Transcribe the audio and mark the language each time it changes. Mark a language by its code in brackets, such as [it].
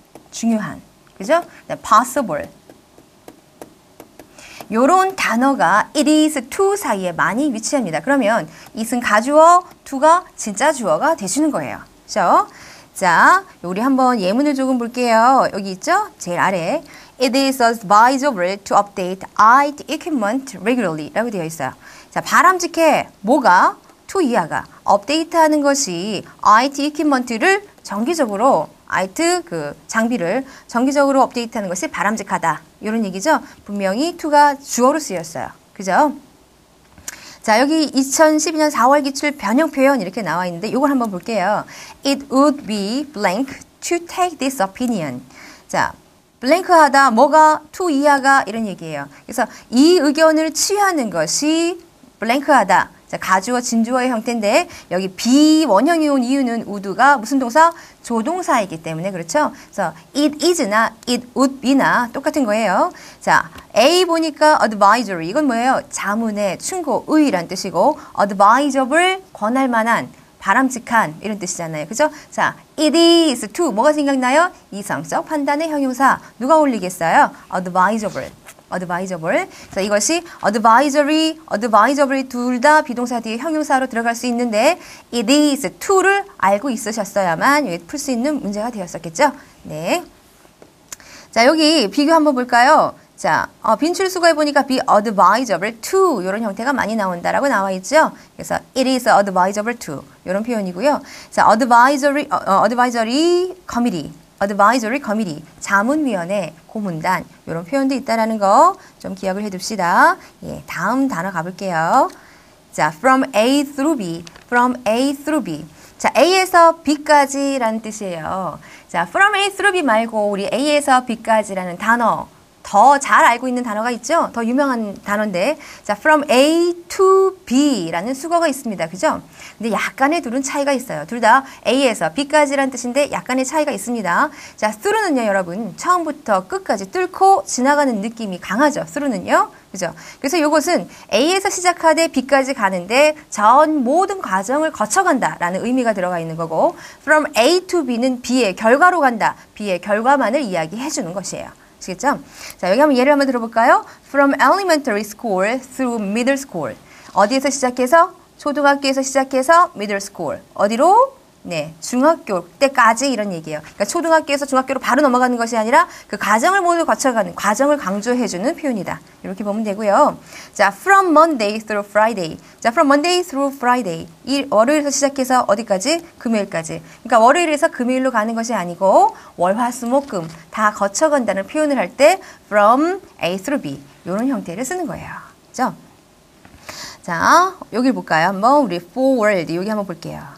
[ko] 중요한. 그죠? possible. 요런 단어가 it is to 사이에 많이 위치합니다. 그러면 it은 가주어, to가 진짜 주어가 되시는 거예요. 그죠? 자, 우리 한번 예문을 조금 볼게요. 여기 있죠? 제일 아래. [en] It is advisable to update IT equipment regularly [ko] 라고 되어 있어요. 자, 바람직해. 뭐가? to 이하가 업데이트하는 것이 [en] IT equipment [ko] 를 정기적으로 IT 그 장비를 정기적으로 업데이트하는 것이 바람직하다. 이런 얘기죠. 분명히 to가 주어로 쓰였어요. 그죠? 자, 여기 2012년 4월 기출 변형 표현 이렇게 나와 있는데 이걸 한번 볼게요. [en] It would be blank to take this opinion. [ko] 자, 블랭크하다, 뭐가 to 이하가 이런 얘기예요. 그래서 이 의견을 취하는 것이 블랭크하다. 자, 가주어, 진주어의 형태인데 여기 be 원형이 온 이유는 would가 무슨 동사? 조동사이기 때문에 그렇죠. 그래서 it is나 it would be나 똑같은 거예요. 자, A 보니까 advisory 이건 뭐예요? 자문의, 충고의란 뜻이고 advisable 권할 만한, 바람직한 이런 뜻이잖아요. 그렇죠? 자, it is to 뭐가 생각나요? 이성적 판단의 형용사 누가 올리겠어요? [en] advisable. advisable. [ko] 자, 이것이 advisory, advisable 둘 다 비동사 뒤에 형용사로 들어갈 수 있는데 it is to를 알고 있으셨어야만 여기 풀 수 있는 문제가 되었었겠죠. 네. 자, 여기 비교 한번 볼까요? 자, 빈출 수거해 보니까 be advisable to 이런 형태가 많이 나온다라고 나와 있죠. 그래서 it is advisable to 이런 표현이고요. [en] 자, advisory committee. [ko] Advisory Committee, 자문위원회, 고문단 이런 표현도 있다는 거 좀 기억을 해둡시다. 예, 다음 단어 가볼게요. 자, [en] From A through B, From A through B. [ko] 자, A에서 B까지라는 뜻이에요. 자, From A through B 말고 우리 A에서 B까지라는 단어, 더 잘 알고 있는 단어가 있죠? 더 유명한 단어인데, 자, From A to B라는 수거가 있습니다. 그죠? 근데 약간의 둘은 차이가 있어요. 둘 다 A에서 B까지라는 뜻인데 약간의 차이가 있습니다. 자, through는요, 여러분, 처음부터 끝까지 뚫고 지나가는 느낌이 강하죠. through는요. 그죠? 그래서 이것은 A에서 시작하되 B까지 가는데 전 모든 과정을 거쳐간다라는 의미가 들어가 있는 거고, From A to B는 B의 결과로 간다. B의 결과만을 이야기해 주는 것이에요. 아시겠죠? 자, 여기 한번 예를 한번 들어볼까요? [en] From elementary school through middle school. [ko] 어디에서 시작해서? 초등학교에서 시작해서 [en] middle school. [ko] 어디로? 네, 중학교 때까지 이런 얘기예요. 그러니까 초등학교에서 중학교로 바로 넘어가는 것이 아니라 그 과정을 모두 거쳐가는, 과정을 강조해주는 표현이다. 이렇게 보면 되고요. [en] 자, from Monday through Friday. 자, from Monday through Friday. [ko] 월요일에서 시작해서 어디까지? 금요일까지. 그러니까 월요일에서 금요일로 가는 것이 아니고 월, 화, 수, 목, 금 다 거쳐간다는 표현을 할 때 from A through B 이런 형태를 쓰는 거예요. 그렇죠? 자, 여기 볼까요? 한번 우리 forward 여기 한번 볼게요.